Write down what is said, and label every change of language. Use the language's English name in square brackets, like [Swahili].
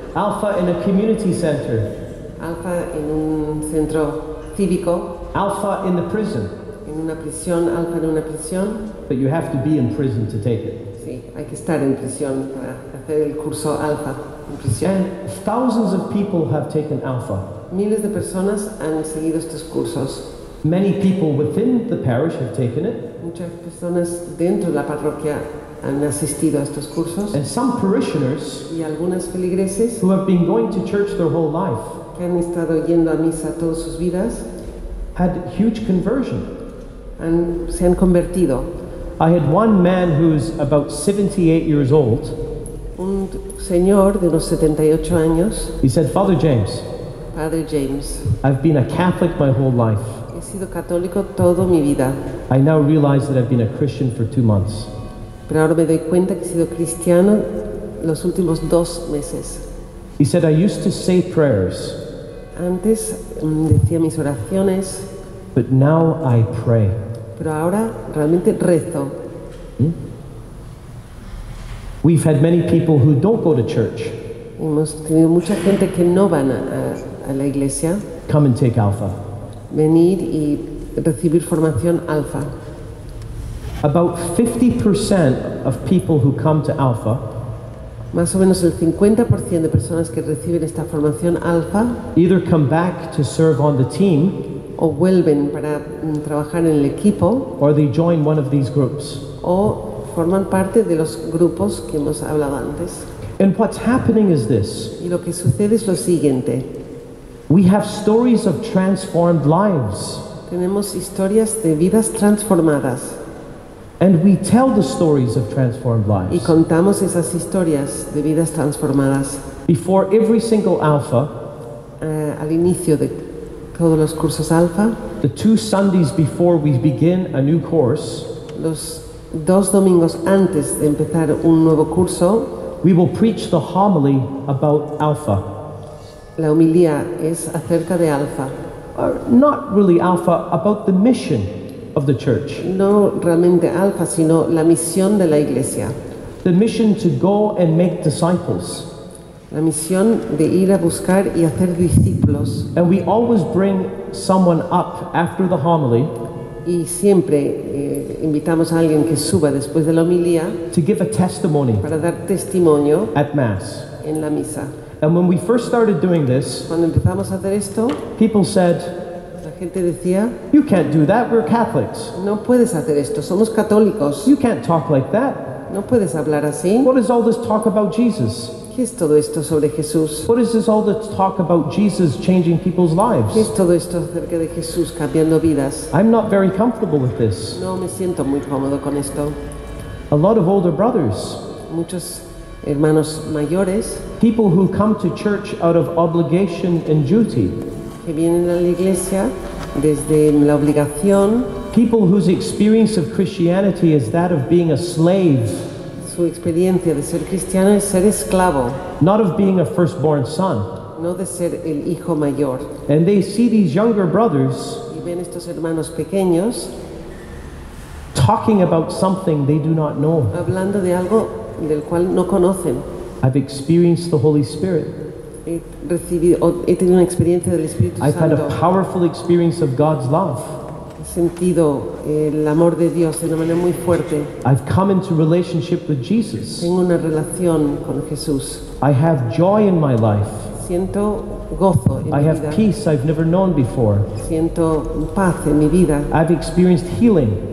[English] Alpha in a community center. [Spanish] Alpha in un centro cívico. [English] Alpha in the prison. [Spanish] En una prisión. Alpha en una prisión. [English] But you have to be in prison to take it. [Spanish] Sí, hay que estar en prisión para hacer el curso Alpha en prisión. [English] And thousands of people have taken Alpha. [Spanish] Miles de personas han seguido estos cursos. [English] Many people within the parish have taken it. [Spanish] Muchas personas dentro de la parroquia han asistido a estos cursos. [English] And some parishioners, [Spanish] y algunas feligreses, [English] who have been going to church their whole life, [Spanish] que han estado yendo a misa todas sus vidas, [English] had huge conversion. [Spanish] Se han convertido. [English] I had one man who's about 78 years old. [Spanish] Un señor de unos 78 años. [English] He said, "Father James." [Spanish] Padre James. [English] I've been a Catholic my whole life. [Spanish] He sido católico toda mi vida. [English] I now realize that I've been a Christian for 2 months. [Spanish] Pero ahora me doy cuenta que he sido cristiano los últimos 2 meses. [English] He said, "I used to say prayers." [Spanish] Antes decía mis oraciones. [English] But now I pray. [Spanish] Pero ahora realmente rezo. [English] We've had many people who don't go to church. [Spanish] Hemos tenido mucha gente que no van a la iglesia. [English] Come and take Alpha. [Spanish] Venir y recibir formación Alpha. [English] About 50% of people who come to Alpha. [Spanish] Más o menos el 50% de personas que reciben esta formación Alpha. [English] Either come back to serve on the team. [Spanish] O vuelven para trabajar en el equipo. [English] Or they join one of these groups. [Spanish] O forman parte de los grupos que hemos hablado antes. [English] And what's happening is this. [Spanish] Y lo que sucede es lo siguiente. [English] We have stories of transformed lives. [Spanish] Tenemos historias de vidas transformadas. [English] And we tell the stories of transformed lives. [Spanish] Y contamos esas historias de vidas transformadas. [English] Before every single Alpha. [Spanish] Al inicio de todos los cursos Alpha. [English] The 2 Sundays before we begin a new course. [Spanish] Los 2 domingos antes de empezar un nuevo curso. [English] We will preach the homily about Alpha. [Spanish] La homilía es acerca de Alpha. [English] Not really Alpha, about the mission of the church. [Spanish] No realmente Alpha, sino la misión de la iglesia. [English] The mission to go and make disciples. [Spanish] La misión de ir a buscar y hacer discípulos. [English] And we always bring someone up after the homily. [Spanish] Y siempre invitamos a alguien que suba después de la homilía. [English] To give a testimony. [Spanish] Para dar testimonio. [English] At Mass. [Spanish] En la misa. [English] And when we first started doing this. [Spanish] Cuando empezamos a hacer esto. [English] People said. [Spanish] La gente decía. [English] You can't do that, we're Catholics. [Spanish] No puedes hacer esto, somos católicos. [English] You can't talk like that. [Spanish] No puedes hablar así. [English] What is all this talk about Jesus? [Spanish] ¿Qué es todo esto sobre Jesús? [English] What is this all the talk about Jesus changing people's lives? [Spanish] ¿Qué es todo esto acerca de Jesús cambiando vidas? [English] I'm not very comfortable with this. [Spanish] No me siento muy cómodo con esto. [English] A lot of older brothers. [Spanish] Muchos hermanos mayores. [English] People who come to church out of obligation and duty. [Spanish] Que vienen a la iglesia desde la obligación. [English] People whose experience of Christianity is that of being a slave. [Spanish] Su experiencia de ser cristiano es ser esclavo. [English] Not of being a firstborn son. [Spanish] No de ser el hijo mayor. [English] And they see these younger brothers. [Spanish] Y ven estos hermanos pequeños. [English] Talking about something they do not know. [Spanish] Hablando de algo del cual no conocen. [English] I've experienced the Holy Spirit. [Spanish] He tenido una experiencia del Espíritu Santo. [English] I've had a powerful experience of God's love. [Spanish] He sentido el amor de Dios de una manera muy fuerte. [English] I've come into relationship with Jesus. [Spanish] Tengo una relación con Jesús. [English] I have joy in my life. [Spanish] Siento gozo en [English] I [Spanish] mi vida. [English] I have peace I've never known before. [Spanish] Siento paz en mi vida. [English] I've experienced healing.